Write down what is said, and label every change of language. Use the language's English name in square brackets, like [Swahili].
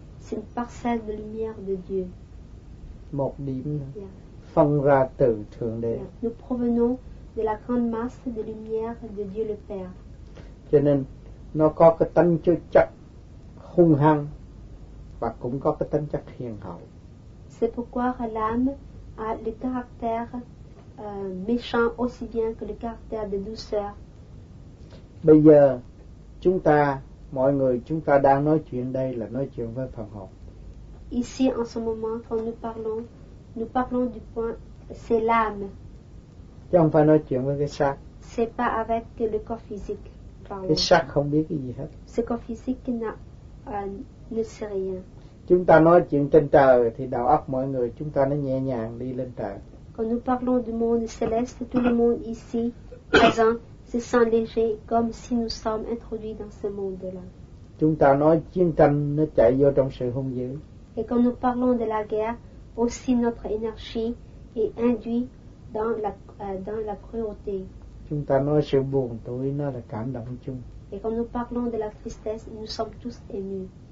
[French] C'est une parcelle de lumière de Dieu. [Vietnamese] Một điểm phân ra từ thượng đế. Yeah. [French] Nous provenons de la grande masse de lumière de Dieu le Père. [Vietnamese] Cho nên nó có cái tính chất hung hăng và cũng có cái tính chất hiền hậu. [French] C'est pourquoi l'âme a le caractère méchant aussi bien que le caractère de douceur. [Vietnamese] Bây giờ chúng ta, mọi người chúng ta đang nói chuyện đây là nói chuyện với phần hồn. [French] Ici en ce moment quand nous parlons du point, c'est l'âme. [Vietnamese] Chứ không phải nói chuyện với cái xác. [French] C'est pas avec le corps physique. [Vietnamese] Cái xác không biết cái gì hết. [French] Ce corps physique ne sait rien. [Vietnamese] Chúng ta nói chuyện trên trời thì đầu óc mọi người chúng ta nó nhẹ nhàng đi lên trời. [French] Quand nous parlons du monde céleste, tout le monde ici présent se sent léger comme si nous sommes introduits dans ce monde-là. [Vietnamese] Chúng ta nói chiến tranh nó chạy vô trong sự hung dữ. [French] Et quand nous parlons de la guerre, aussi notre énergie est induite dans la cruauté. [Vietnamese] Chúng ta nói sự buồn tủi nó là cảm động chung. [French] Et quand nous parlons de la tristesse, nous sommes tous émus.